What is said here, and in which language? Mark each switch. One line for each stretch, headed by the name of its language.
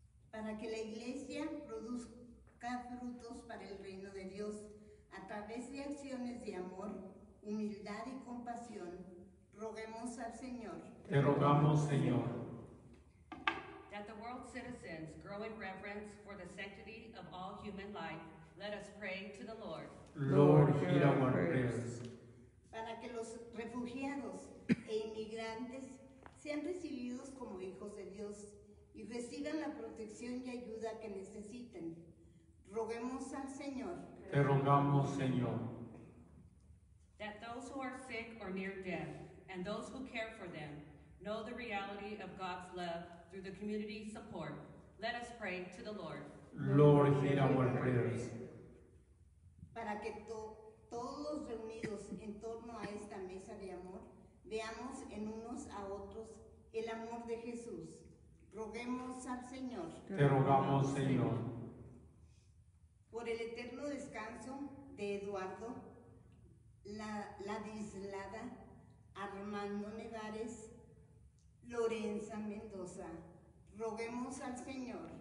Spanish: Para que la Iglesia produzca frutos para el reino de Dios a través de acciones de amor, humildad y compasión, roguemos al Señor. Te rogamos, Señor.
English: That the world citizens grow in reverence for the sanctity of all human life, let us pray to the Lord. Lord, hear our prayers.
Spanish: Para que los refugiados e inmigrantes sean recibidos como hijos de Dios y reciban la protección y ayuda que necesiten, roguemos al Señor. Te rogamos, Señor.
English: That those who are sick or near death and those who care for them know the reality of God's love through the community support, let us pray to the Lord. Lord, hear our prayers.
Spanish: Para que todos reunidos en torno a esta mesa de amor veamos en unos a otros el amor de Jesús, roguemos al Señor. Te rogamos, Señor. Por el eterno descanso de Eduardo, Ladislada, Armando Nevares, Lorenza Mendoza, roguemos al Señor.